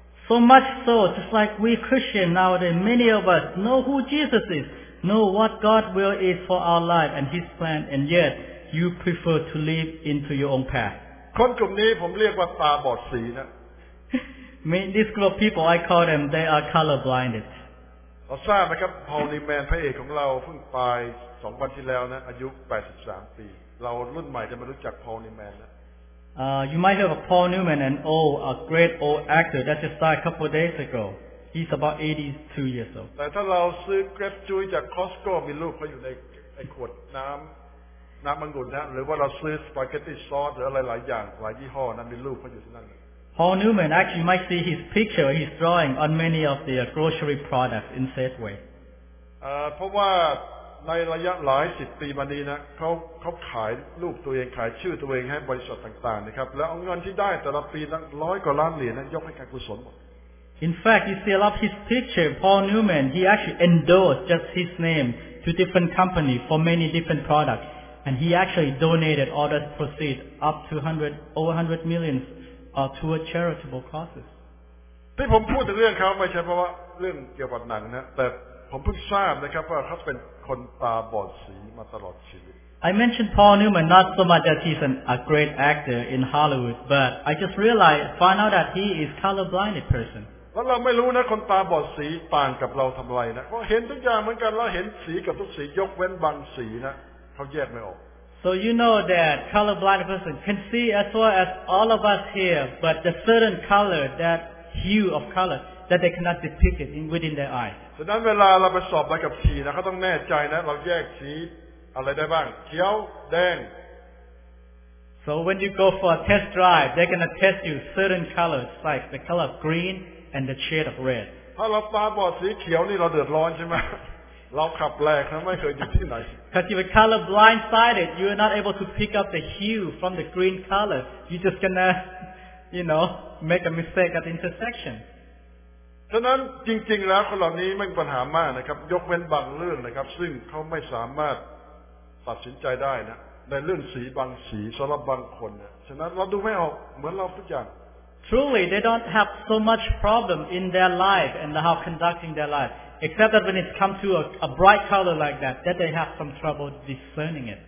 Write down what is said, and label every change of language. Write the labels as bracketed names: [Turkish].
[English] So much so, just like we Christians nowadays, many of us know who Jesus is, know what God will is for our life and His plan, and yet. You prefer to live into your own path. [Thai] คนกลุ่มนี้ผมเรียกว่าตาบอดสีนะ [English] Mean this group of people, I call them, they are colorblinded. [Thai] เราทราบนะครับพอลนีแมนพระเอกของเราเพิ่งตาย2วันที่แล้วนะอายุ83ปีเรารุ่นใหม่จะมารู้จักพอลนีแมนนะ [English] You might hear of Paul Newman, an old, a great old actor that just died a couple of days ago. He's about 82 years old. [Thai] แต่ถ้าเราซื้อ grape juice จาก Costco มีรูปเขาอยู่ในขวดน้ำน้ำมังกรนะหรือว่าเราซื้อสปาเกตตี้ซอสหรืออะไรหลายอย่างหลายยี่ห้อนั้นมีรูปเขาอยู่ที่นั่น [English] Paul Newman actually might see his picture his drawing on many of the grocery products in Safeway [Thai] เพราะว่าในระยะหลายสิบปีมานี้นะเขาขายรูปตัวเองขายชื่อตัวเองให้บริษัทต่างๆนะครับแล้วเอาเงินที่ได้แต่ละปีนั้นร้อยกว่าล้านเหรียญนั้นยกให้การกุศล [English] In fact you see a lot of his picture Paul Newman he actually endorsed just his name to different company for many different productsAnd he actually donated all the proceeds up to over 100 million toward charitable causes. [Thai] ที่ผมพูดถึงเรื่องเขาไม่ใช่เพราะว่าเรื่องเกี่ยวกับหนังนะแต่ผมเพิ่งทราบนะครับว่าเขาเป็นคนตาบอดสีมาตลอดชีวิต [English] I mentioned Paul Newman not so much that he's a great actor in Hollywood, but I just realized, found out that he is colorblinded person. [Thai] แล้วเราไม่รู้นะคนตาบอดสีต่างกับเราทำไรนะเพราะเห็นทุกอย่างเหมือนกันเราเห็นสีกับทุกสียกเว้นบางสีนะ [English] So you know that colorblind person can see as well as all of us here, but the certain color, that hue of color, that they cannot depict it within their eyes. [Thai] ฉะนั้นเวลาเราไปสอบใบขับขี่นะเขาต้องแน่ใจนะเราแยกสีอะไรได้บ้างเขียวแดง [English] So when you go for a test drive, they're gonna test you certain colors, like the color of green and the shade of red. [Thai] ถ้าเราตาบอดสีเขียวนี่เราเดือดร้อนใช่ไหมเราขับแรกนะไม่เคยอยู่ที่ไหน [English] Because you're color blind sighted you are not able to pick up the hue from the green color you're just gonna you know make a mistake at the intersection [Thai] ฉะนั้นจริงๆแล้วคนเหล่านี้ไม่มีปัญหามากนะครับยกเว้นบางเรื่องนะครับซึ่งเขาไม่สามารถ ตัดสินใจได้นะในเรื่องสีบางสีสำหรับบางคนนะฉะนั้นเราดูไม่ออกเหมือนเราทุกอย่าง [English] Truly they don't have so much problem in their life and how conducting their life except that when it's come to a bright color like that they have some trouble discerning it